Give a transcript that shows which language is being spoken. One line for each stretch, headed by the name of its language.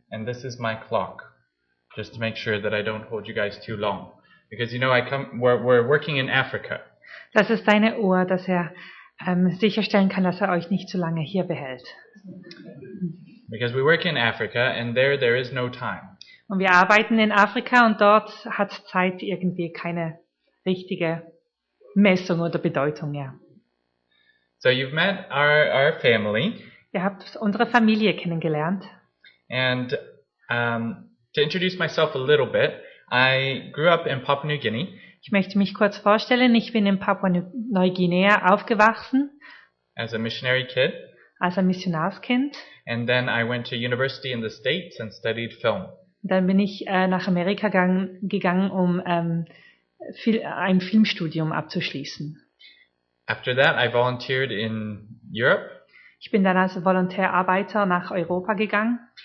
English: And this is my clock, just to make sure that I don't hold you guys too long. Because, you know, we're working in Africa.
German: Das ist deine Uhr, das er... sicherstellen kann, dass er euch nicht zu lange hier behält.
English: Because we work in Africa and there is no time.
German: Und wir arbeiten in Afrika und dort hat Zeit irgendwie keine richtige Messung oder Bedeutung, ja.
English: So you've met our family.
German: Ihr habt unsere Familie kennengelernt.
English: And to introduce myself a little bit, I grew up in Papua New Guinea.
German: Ich möchte mich kurz vorstellen, ich bin in Papua-Neuguinea aufgewachsen.
English: As a missionary kid.
German: Als ein Missionarskind.
English: And then I went to university in the States and studied film.
German: Dann bin ich nach Amerika gegangen, um ein Filmstudium abzuschließen.
English: After that I volunteered in Europe.
German: Ich bin dann als Volontärarbeiter nach Europa gegangen.